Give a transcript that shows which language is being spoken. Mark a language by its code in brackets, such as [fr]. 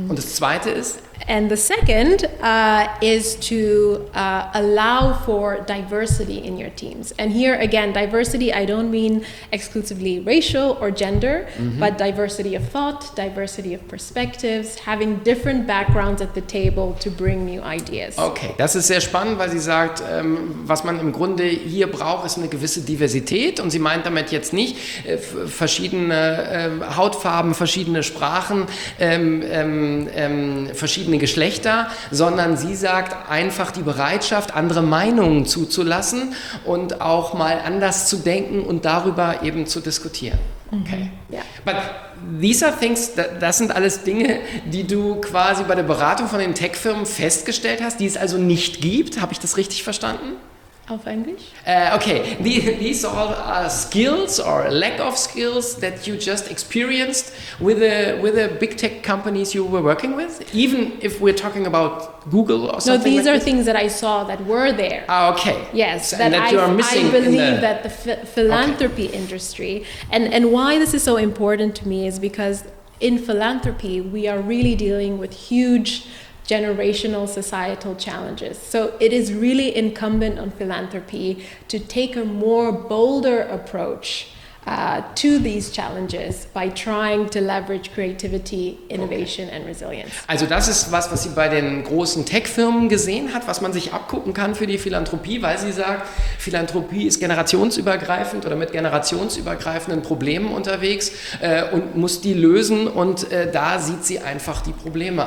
[de] Und das zweite ist? [en] And the second is to allow for diversity in your teams. And here again, diversity, I don't mean exclusively racial or gender, but diversity of thought, diversity of perspectives, having different backgrounds at the table to bring new ideas. [de] Okay, das ist sehr spannend, weil sie sagt, was man im Grunde hier braucht, ist eine gewisse Diversität. Und sie meint damit jetzt nicht verschiedene Hautfarben, verschiedene Sprachen, verschiedene Geschlechter, sondern sie sagt einfach die Bereitschaft, andere Meinungen zuzulassen und auch mal anders zu denken und darüber eben zu diskutieren. Okay. [en] But these are things, [de] das sind alles Dinge, die du quasi bei der Beratung von den Tech-Firmen festgestellt hast, die es also nicht gibt. Habe ich das richtig verstanden? Auf Englisch? Okay. [en] These all are skills or lack of skills that you just experienced with the big tech companies you were working with. Even if we're talking about Google or something. No, these like are this? Things that I saw that were there. Ah, okay. Yes, and that you are missing. I believe that the philanthropy industry and why this is so important to me is because in philanthropy we are really dealing with huge generational societal challenges. So it is really incumbent on philanthropy to take a more bolder approach to these challenges by trying to leverage creativity, innovation and resilience. [de] Also das ist was sie bei den großen Tech-Firmen gesehen hat, was man sich abgucken kann für die Philanthropie, weil sie sagt, Philanthropie ist generationsübergreifend oder mit generationsübergreifenden Problemen unterwegs und muss die lösen und da sieht sie einfach die Probleme.